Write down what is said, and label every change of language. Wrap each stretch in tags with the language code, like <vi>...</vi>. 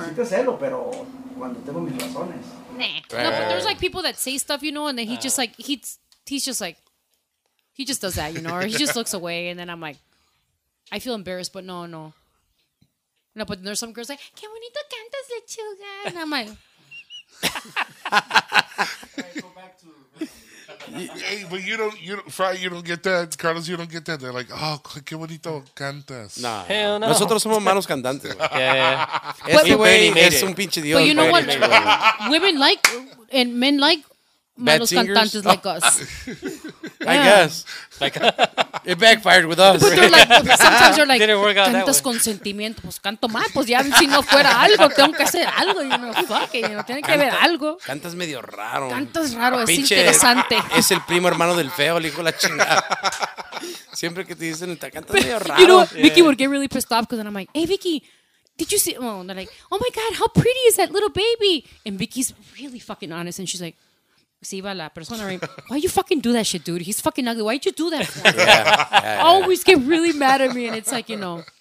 <es>No, si te celo, pero cuando tengo mis razones. Nah.</es> <en>No, but there's like people that say stuff, you know, and then he just does that, you know, or he just looks away, and then I'm like, I feel embarrassed, but no. No, but there's some girls like,</en> <es>"Qué bonito cantas, lechuga,"</es> <en>and I'm like, "Hey, but you don't, Fry, you don't get that, Carlos, you don't get that." They're like, "Oh,</en> <es>qué bonito cantas." Nah,</es> <en>hell no.</en> <es>Nosotros somos malos cantantes.</es> <en>Yeah.</en> <es>Este güey es un pinche dios.</es> <en>But you know what? Women like and men like</en> <es>malos cantantes</es> <en>like us. I guess. Like, it backfired with us. But they're like, sometimes they're like, didn't work out</en> <es>cantas</es> <en>that way.</en> <es>Con sentimiento. Pues canto mal, pues ya si no fuera algo, tengo que hacer algo.</es> <en>You know, fuck it, you know,</en> <es>tiene que haber algo. Cantas medio raro. Cantas raro, es pinche, interesante. Es el primo hermano del feo, le dijo la chingada. Siempre que te dicen, te cantas medio raro.</es> <en>You know, Vicky would get really pissed off because then I'm like, hey, Vicky. Did you see? Well, and they're like, oh my God, how pretty is that little baby? And Vicky's really fucking honest, and she's like, why you fucking do that shit, dude? He's fucking ugly. Why'd you do that? Yeah. Always get really mad at me, and it's like, you know.</en>